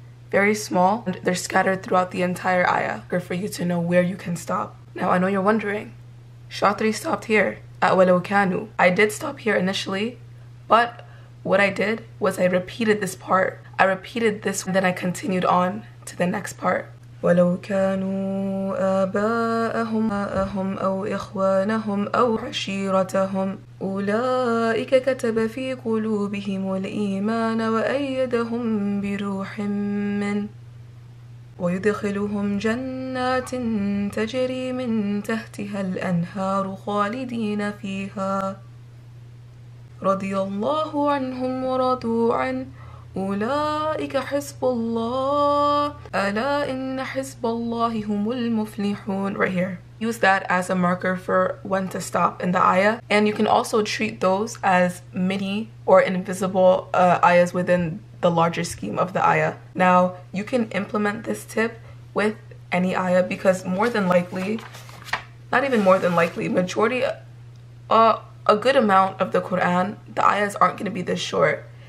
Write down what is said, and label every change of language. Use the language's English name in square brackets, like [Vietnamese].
[English] Very small, and they're scattered throughout the entire ayah for you to know where you can stop. Now I know you're wondering, Shatri stopped here at [Arabic] وَلَوْ كَانُوا. [English] I did stop here initially, but what I did was I repeated this part. I repeated this and then I continued on to the next part. [Arabic] وَلَوْ كَانُوا آبَاءَهُمْ أَوْ إِخْوَانَهُمْ أَوْ عَشِيرَتَهُمْ أُولَٰئِكَ كَتَبَ فِي قُلُوبِهِمُ الْإِيمَانَ وَأَيَّدَهُمْ بِرُوحٍ مِّنْ ويدخلهم جنات تجري من تحتها الأنهار خالدين فيها رضي الله عنهم ورضوا عنه أولئك حزب الله ألا إن حزب الله هم المفلحون [English] Right here. use that as a marker for when to stop in the ayah. And you can also treat those as mini or invisible ayahs within the larger scheme of the ayah. Now, you can implement this tip with any ayah because more than likely, not even more than likely, majority, a good amount of the Quran, the ayahs aren't going to be this short.